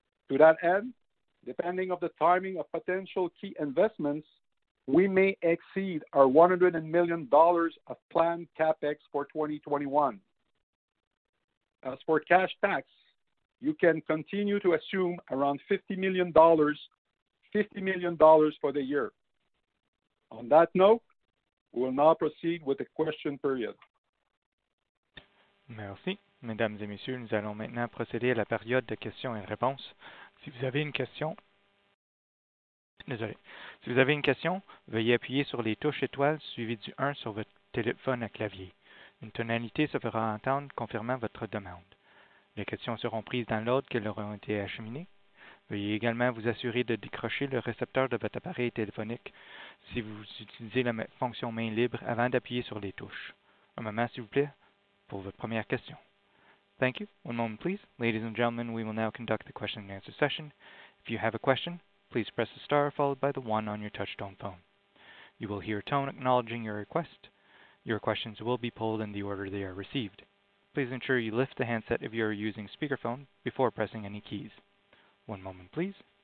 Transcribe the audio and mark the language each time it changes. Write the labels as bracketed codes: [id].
[en] To that end, depending on the timing of potential key investments, we may exceed our $100 million of planned CapEx for 2021. As for cash tax, you can continue to assume around $50 million for the year. On that note, we will now proceed with the question period. [fr] Merci. Mesdames et messieurs, nous allons maintenant procéder à la période de questions et réponses. Si vous avez une question, Désolé. Si vous avez une question, veuillez appuyer sur les touches étoiles suivies du 1 sur votre téléphone à clavier. Une tonalité se fera entendre confirmant votre demande. Les questions seront prises dans l'ordre qu'elles auront été acheminées. Veuillez également vous assurer de décrocher le récepteur de votre appareil téléphonique si vous utilisez la fonction main libre avant d'appuyer sur les touches. Un moment, s'il vous plaît, pour votre première question. [en] Thank you. One moment, please. Ladies and gentlemen, we will now conduct the question and answer session. If you have a question, please press the star followed by the one on your touchtone phone. You will hear a tone acknowledging your request. Your questions will be polled in the order they are received. Please ensure you lift the handset if you are using speakerphone before pressing any keys. One moment, please.